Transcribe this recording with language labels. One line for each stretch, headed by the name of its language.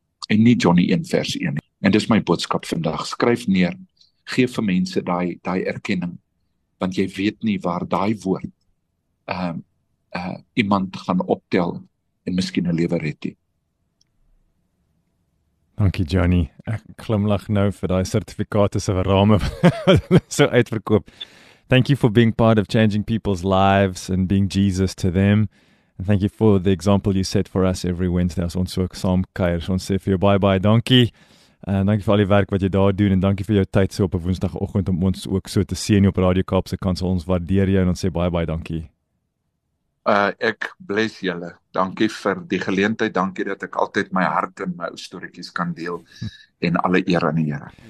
Afrikaans: En nie Johnny 1 vers 1 nie. En dis my boodskap vandag. Skryf neer, gee vir mense daai erkenning. Want jy weet nie waar daai woord iemand gaan optel en miskien 'n lewe red nie. Dankie Johnny. Ek klimlag nou vir daai sertifikate se rame so uitverkoop.
English: Thank you for being part of changing people's lives and being Jesus to them. And thank you for the example you set for us every Wednesday.
Afrikaans: As ons ook saam kuier, ons sê vir jou bye-bye, dankie. En dankie vir al die werk wat jy daar doen en dankie vir jou tyd so op 'n woensdagoggend om ons ook so te sien op Radio Kaap se kantoor. Ons waardeer jou en ons sê bye-bye, dankie. Ek bless julle. Dankie vir die geleentheid. Dankie dat ek altyd my hart en my ou storieetjies kan deel en alle eer aan die Here.